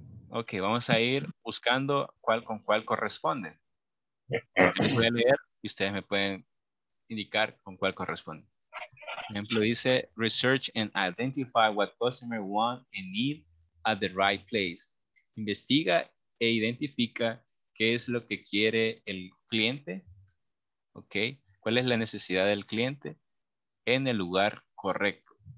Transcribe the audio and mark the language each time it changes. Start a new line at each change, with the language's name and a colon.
Spanish: Ok, vamos a ir buscando cuál con cuál corresponde. Les voy a leer y ustedes me pueden indicar con cuál corresponde. Por ejemplo, dice,
English: research and identify what customer want and need at the right place.
Spanish: Investiga e identifica qué es lo que quiere el cliente, ¿ok? ¿Cuál es la necesidad del cliente en el lugar correcto?